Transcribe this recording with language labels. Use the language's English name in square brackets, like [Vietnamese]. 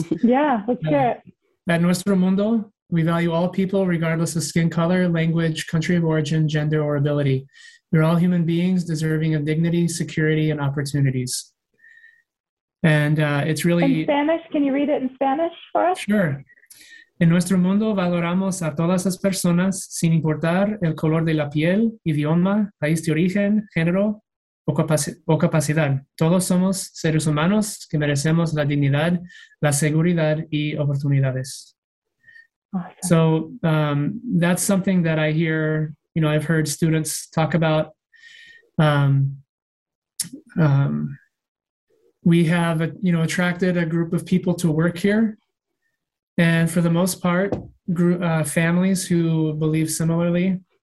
[English] Yeah, let's hear it. At Nuestro Mundo, we value all people regardless of skin color, language, country of origin, gender, or ability. We're all human beings deserving of dignity, security, and opportunities. And it's really... In Spanish? Can you read it in Spanish for us? Sure. [Spanish] En nuestro mundo valoramos a todas las personas sin importar el color de la piel, idioma, país de origen, género o capacidad. Todos somos seres humanos que merecemos la dignidad, la seguridad y oportunidades. [English] Awesome. So that's something that I hear... You know, I've heard students talk about, we have, attracted a group of people to work here. And for the most part, families who believe similarly.